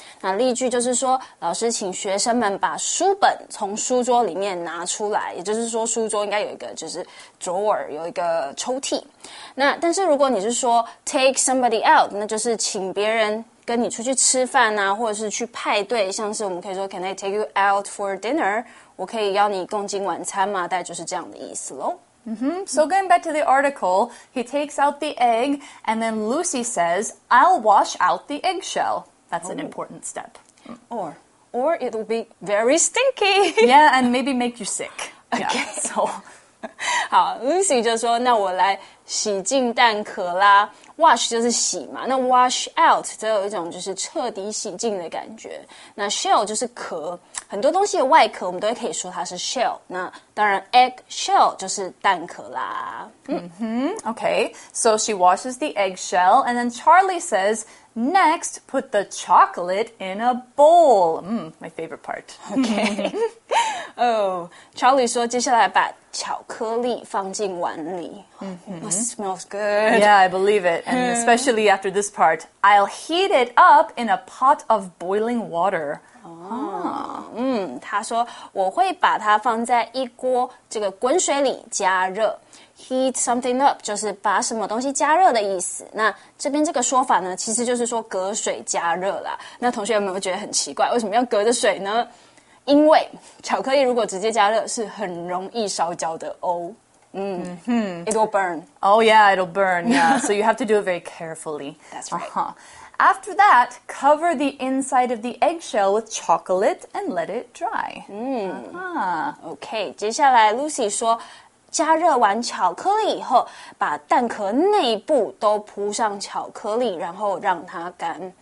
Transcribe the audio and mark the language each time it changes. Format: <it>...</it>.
<zh>那例句就是说老师请学生们把书本从书桌里面拿出来，也就是说书桌应该有一个就是 drawer, 有一个抽屉。那但是如果你是说 take somebody out, 那就是请别人跟你出去吃饭啊，或者是去派对，像是我们可以说</zh> <en>Can I take you out for dinner?</en> <zh>我可以邀你共进晚餐吗？大概就是这样的意思咯。 Mm-hmm.</zh> <en>So going back to the article, he takes out the egg, and then Lucy says, I'll wash out the eggshell. That's an important step. Or it'll be very stinky. Yeah, and maybe make you sick. Okay. Yeah, so...</en> <zh>好 ,Lucy 就说那我来洗净蛋壳啦。 Wash 就是洗嘛，那 wash out 则有一种就是彻底洗净的感觉。那 shell 就是壳，很多东西的外壳我们都可以说它是 shell。那当然 egg shell 就是蛋壳啦。</zh> <en>Okay, so she washes the egg shell, and then Charlie says, next, put the chocolate in a bowl. My favorite part.</en> <zh>Okay. Charlie 说接下来把巧克力放进碗里。</zh> <en>Smells good. Yeah, I believe it. And especially after this part, I'll heat it up in a pot of boiling water.</en> <zh>He 说我会把它放在一锅这个滚水里加热。 Heat something up 就是把什么东西加热的意思。那这边这个说法呢，其实就是说隔水加热啦。那同学有没有觉得很奇怪，为什么要隔着水呢？因为巧克力如果直接加热是很容易烧焦的哦。</zh> <en>It'll burn. Oh yeah, it'll burn. Yeah. So you have to do it very carefully. That's right. Uh-huh. After that, cover the inside of the eggshell with chocolate and let it dry.</en> <zh>Okay, 接下来 Lucy 说加热完巧克力以后，把蛋壳内部都铺上巧克力，然后让它干。</zh>